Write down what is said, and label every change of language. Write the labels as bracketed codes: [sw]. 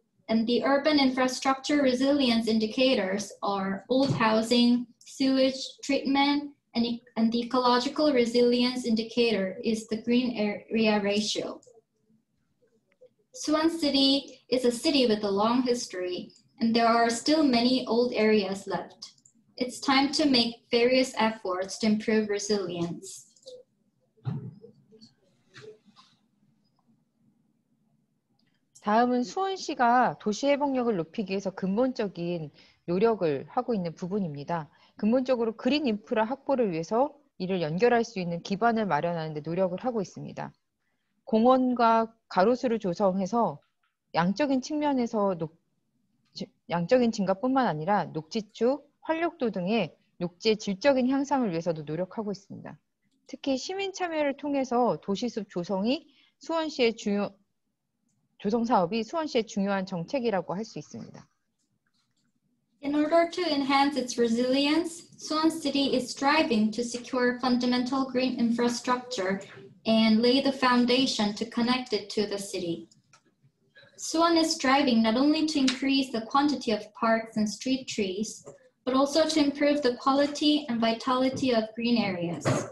[en] And the urban infrastructure resilience indicators are old housing, sewage treatment, and the ecological resilience indicator is the green area ratio. Suwon City is a city with a long history, and there are still many old areas left. It's time to make various efforts to improve resilience. [ko] 다음은 수원시가 도시회복력을 높이기 위해서 근본적인 노력을 하고 있는 부분입니다. 근본적으로 그린 인프라 확보를 위해서 이를 연결할 수 있는 기반을 마련하는 데 노력을 하고 있습니다. 공원과 가로수를 조성해서 양적인 증가뿐만 아니라 녹지축, 활력도 등의 녹지의 질적인 향상을 위해서도 노력하고 있습니다. 특히 시민 참여를 통해서 도시숲 조성이 수원시의 조성사업이 수원시의 중요한 정책이라고 할 수 있습니다. [en] In order to enhance its resilience, Suwon City is striving to secure fundamental green infrastructure and lay the foundation to connect it to the city. Suwon is striving not only to increase the quantity of parks and street trees, but also to improve the quality and vitality of green areas.